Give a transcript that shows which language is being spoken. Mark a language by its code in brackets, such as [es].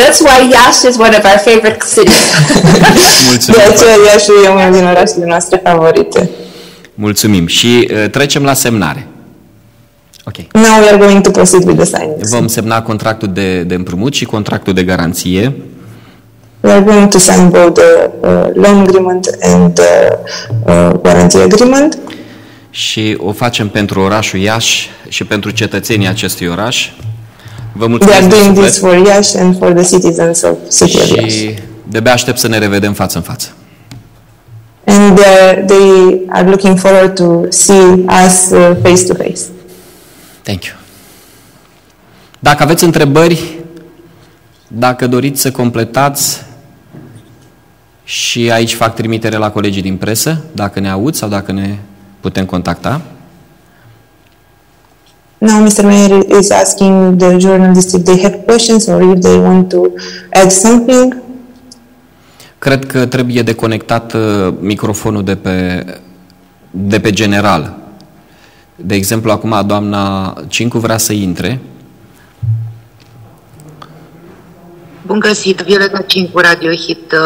[en] That's why Iași is one of our favorite cities. [ro] De aceea Iași e unul din orașele noastre favorite. Mulțumim. Și trecem la semnare. Ok. [en] Now we are going to proceed with the signing. [ro] Vom semna contractul de împrumut și contractul de garanție. [en] We are going to sign both the loan agreement and the guarantee agreement. [ro] Și o facem pentru orașul Iași și pentru cetățenii acestui oraș. Vă mulțumesc. [en] We are doing this for Iași and for the citizens of City of Iași. [ro] Și de-abia aștept să ne revedem față în față. [en] And they are looking forward to see us face to face. Thank you. [ro] Dacă aveți întrebări, dacă doriți să completați, și aici fac trimitere la colegii din presă, dacă ne aud sau dacă ne putem contacta. [en] Now Mr. Mayor is asking the journalists if they have questions or if they want to add something. [ro] Cred că trebuie deconectat microfonul de pe general. De exemplu, acum doamna Cincu vrea să intre. Bun găsit, Violeta Cincu, Radio Hit.